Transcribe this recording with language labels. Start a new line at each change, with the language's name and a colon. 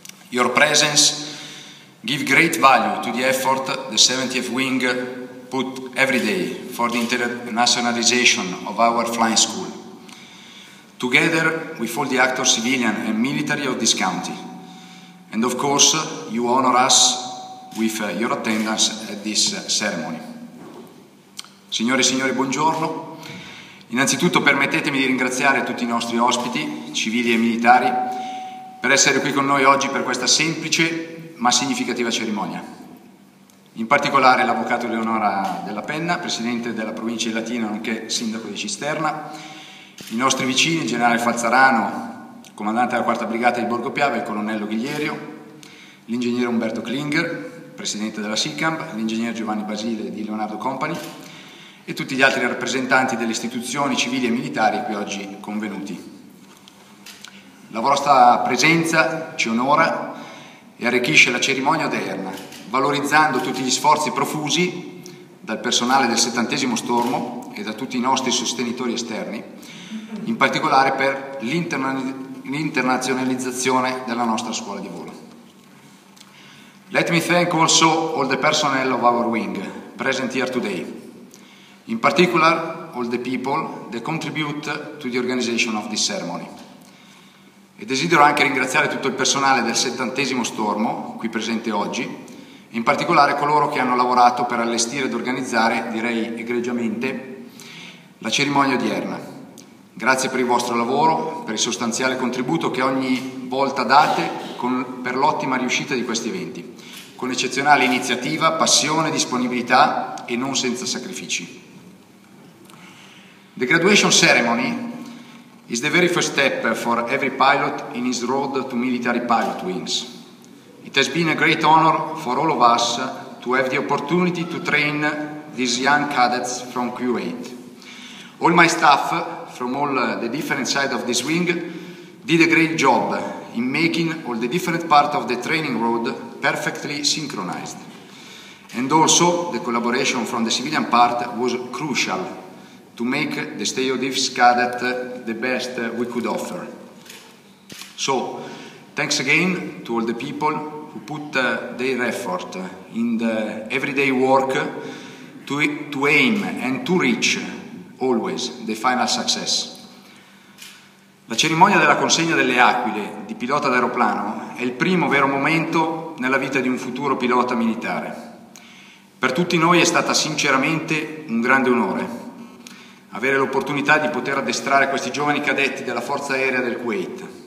English: Your presence gives great value to the effort the 70th Wing put every day for the internationalization of our flying school. Together with all the actors, civilian and military of this county. And of course, you honor us with your attendance at this ceremony.
Italian: Signore e signori, buongiorno. Innanzitutto permettetemi di ringraziare tutti i nostri ospiti, civili e militari, per essere qui con noi oggi per questa semplice ma significativa cerimonia. In particolare l'Avvocato Eleonora Della Penna, Presidente della Provincia di Latina, nonché Sindaco di Cisterna, i nostri vicini, il Generale Falzarano, Comandante della 4ª Brigata di Borgo Piave, il Colonnello Ghiglierio, l'Ingegnere Umberto Klinger, Presidente della SICAMB, l'Ingegnere Giovanni Basile di Leonardo Company, e tutti gli altri rappresentanti delle istituzioni civili e militari qui oggi convenuti. La vostra presenza ci onora e arricchisce la cerimonia odierna, valorizzando tutti gli sforzi profusi dal personale del 70° stormo e da tutti i nostri sostenitori esterni, in particolare per l'internazionalizzazione della nostra scuola di volo.
English: Let me thank also all the personnel of our wing present here today. In particular, all the people that contribute to the organization of this ceremony.
Italian: E desidero anche ringraziare tutto il personale del 70° stormo, qui presente oggi, e in particolare coloro che hanno lavorato per allestire ed organizzare, direi egregiamente, la cerimonia odierna. Grazie per il vostro lavoro, per il sostanziale contributo che ogni volta date per l'ottima riuscita di questi eventi, con eccezionale iniziativa, passione, disponibilità e non senza sacrifici.
English: The graduation ceremony is the very first step for every pilot in his road to military pilot wings. It has been a great honor for all of us to have the opportunity to train these young cadets from Q8. All my staff from all the different sides of this wing did a great job in making all the different parts of the training road perfectly synchronized. And also the collaboration from the civilian part was crucial to make the State of Defense Cadet the best we could offer. So, thanks again to all the people who put their effort in the everyday work to aim and to reach always the final success.
Italian: La cerimonia della consegna delle aquile di pilota d'aeroplano è il primo vero momento nella vita di un futuro pilota militare. Per tutti noi è stata sinceramente un grande onore avere l'opportunità di poter addestrare questi giovani cadetti della Forza Aerea del Kuwait.